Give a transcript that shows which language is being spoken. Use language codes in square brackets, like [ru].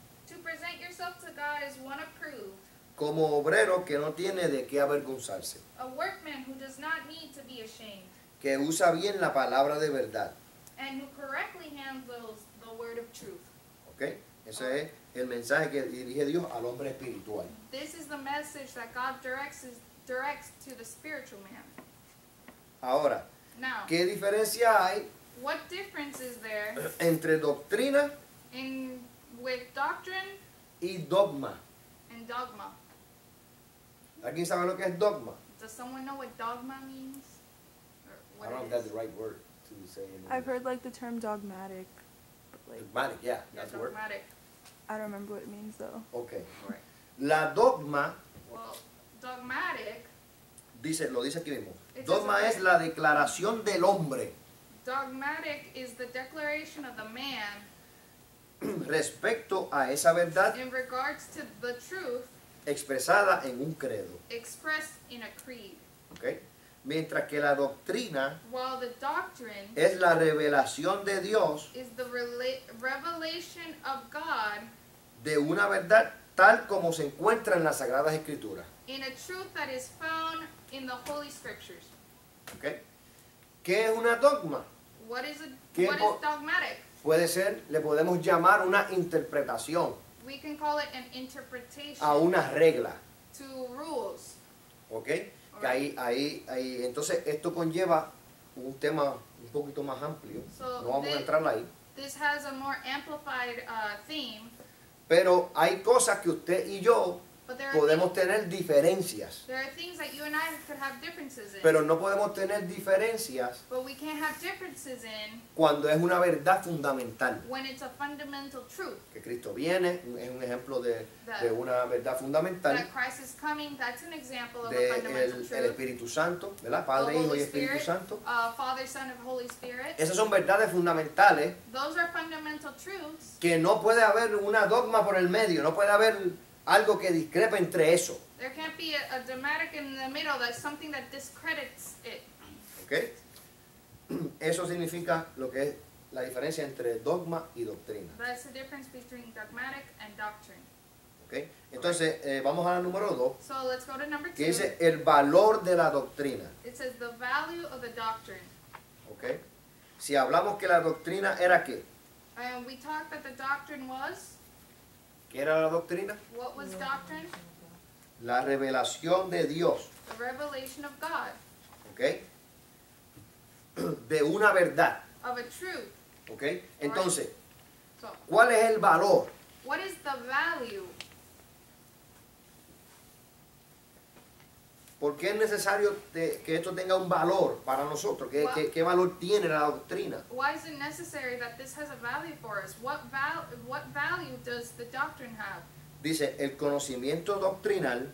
[en] To present yourself to God is one approved. [es] Como obrero que no tiene de qué avergonzarse. [en] A workman who does not need to be ashamed. [es] Que usa bien la palabra de verdad. [en] And who correctly handles the word of truth. [es] Okay, ese es el mensaje que dirige Dios al hombre espiritual. [en] This is the message that God directs to the spiritual man. [es] Ahora, [en] now, [es] ¿qué diferencia hay? [en] What difference is there [es] entre doctrina [en] with doctrine [es] y dogma? [en] And dogma. [es] ¿Alguien sabe lo que es dogma? [en] Does someone know what dogma means? I don't know if that's the right word to say. I've heard like the term dogmatic. Dogmatic, yeah, that's The word. Dogmatic. I don't remember what it means though. Okay. Right. [es] La dogma. [en] Dogmatic, [es] lo dice aquí mismo. Dogma es la declaración del hombre. [en] Dogmatic is the declaration of the man. [es] Respecto a esa verdad. [en] In regards to the truth. [es] Expresada en un credo. [en] Expressed in a creed. [es] Okay? Mientras que la doctrina, [en] while the doctrine, [es] es la revelación de Dios, [en] is the revelation of God, [es] de una verdad tal como se encuentra en las Sagradas Escrituras. [en] In a truth that is found in the Holy Scriptures. [es] Okay? ¿Qué es una dogma? [en] What is what is dogmatic? [es] Puede ser, le podemos llamar una interpretación. [en] We can call it an interpretation. [es] A una regla. [en] To rules. Okay? [es] Que ahí, entonces esto conlleva un tema un poquito más amplio. [en] So [es] no vamos a entrar ahí. [en] This has a more amplified theme. [es] Pero hay cosas que usted y yo podemos tener diferencias. [en] There are things that you and I could have differences in. [es] Pero no podemos tener diferencias. [en] But we can't have differences in. [es] Cuando es una verdad fundamental. [en] When it's a fundamental truth. [es] Que Cristo viene, es un ejemplo de una verdad fundamental. [en] That Christ is coming, that's an example of a fundamental truth. [es] El Espíritu Santo, ¿verdad? Padre, Hijo y Espíritu Santo. [en] Father, Son, and Holy Spirit. [es] Esas son verdades fundamentales. [en] Those are fundamental truths. [es] Que no puede haber una dogma por el medio, no puede haber algo que discrepa entre eso. [en] There can't be a dramatic in the middle, that's something that discredits it. Okay. [es] Eso significa lo que es la diferencia entre dogma y doctrina. [en] That's the difference between dogmatic and doctrine. Okay. [es] Entonces, vamos a la número dos. [en] So let's go to number two. [es] Que dice el valor de la doctrina. [en] It says the value of the doctrine. Okay. [es] Si hablamos que la doctrina era qué. [en] And we talked that the doctrine was. [es] ¿Qué era la doctrina? [en] What was doctrine? [es] La revelación de Dios. [en] The revelation of God. [es] Okay. De una verdad. [en] Of a truth. Okay. [es] Entonces, ¿cuál es el valor? [en] What is the value? [es] ¿Por qué es necesario que esto tenga un valor para nosotros? ¿Qué valor tiene la doctrina? [en] Why is it necessary that this has a value for us? What value does the doctrine have? [es] Dice, el conocimiento doctrinal.